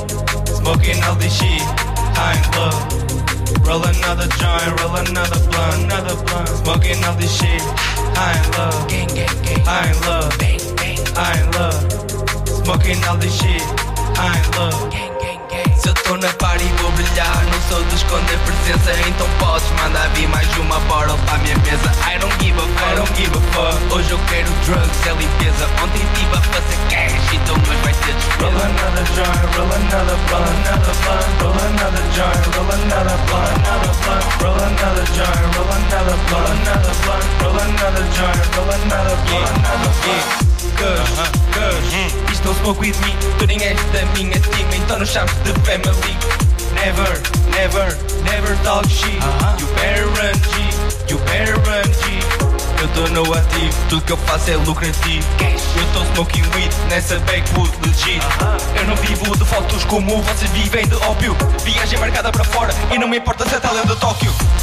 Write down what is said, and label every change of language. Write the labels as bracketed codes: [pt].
[en] Smoking all this shit, I in love. Roll another joint, roll another blunt. Smoking all this shit, I in love, gang, gang, gang. I in love, bang, bang. I in love. Smoking all this shit, I in love, gang, gang, gang. [pt] Se eu tô na party vou brilhar, não sou de esconder presença. Então podes mandar vir mais uma bottle pra minha mesa. [en] I don't give a fuck, I don't give a fuck. [pt] Hoje eu quero drugs, é limpeza. Ontem tive a fazer cash, então hoje vai ser despesa. [en] Roll another joint, roll another blunt. Roll another joint, roll another blunt. Roll another joint, roll another blunt. Roll another joint, roll another blunt. Cush, cush, don't smoke with me. [pt] Tu nem és da minha team. Então não chames de family. [en] Never, never, never talk shit. You better run G, you better run G. [pt] Eu tô no ativo, tudo que eu faço é lucrativo. [en] Cash. [pt] Eu tô [en] smoking weed [pt] nessa [en] backwood legit. [pt] Eu não vivo de fotos como vocês vivem de ópio. Viagem marcada pra fora e não me importa se é talento de Tóquio.